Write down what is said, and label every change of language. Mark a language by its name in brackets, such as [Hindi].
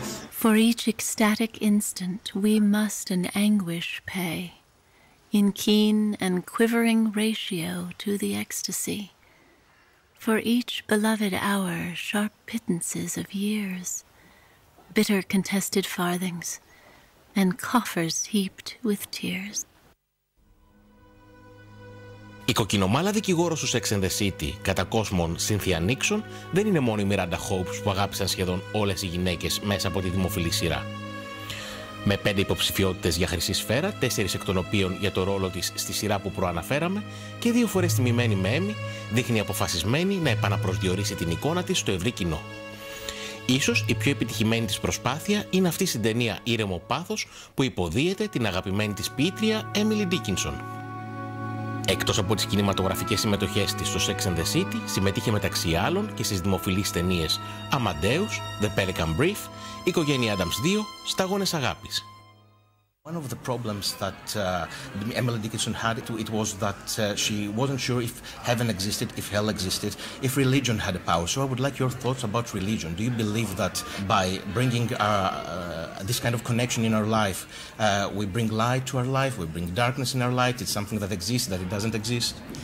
[English] For each ecstatic instant, we must an anguish pay, in keen and quivering ratio to the ecstasy. For each beloved hour, sharp pittances of years, bitter contested farthings, and coffers heaped with tears. [Greek] Η κοκκινομάλα δικηγόρος του Sex and the City, κατά κόσμων Cynthia Nixon, δεν είναι μόνο η Miranda Hopes που αγάπησαν σχεδόν όλες οι γυναίκες μέσα από τη δημοφιλή σειρά. Με 5 υποψηφιότητες για Χρυσή Σφαίρα, 4 εκ των οποίων για το ρόλο της στη σειρά που προαναφέραμε, και 2 φορές τιμημένη με Emmy, δείχνει αποφασισμένη να επαναπροσδιορίσει την εικόνα της στο ευρύ κοινό. Ίσως η πιο επιτυχημένη της προσπάθεια είναι αυτή στην ταινία Ήρεμο Πάθος που υποδύεται την αγαπημένη της ποιήτρια Emily Dickinson. Εκτός από τις κινηματογραφικές συμμετοχές της στο Sex and the City, συμμετείχε μεταξύ άλλων και στις δημοφιλείς ταινίες Amadeus, The Pelican Brief, Οικογένεια Adams 2, Σταγόνες Αγάπης. [English] One of the problems that Emily Dickinson had, it was that she wasn't sure if heaven existed, if hell existed, if religion had a power. So I would like your thoughts about religion. Do you believe that by bringing this kind of connection in our life, we bring light to our life, we bring darkness in our light, it's something that exists, that it doesn't exist?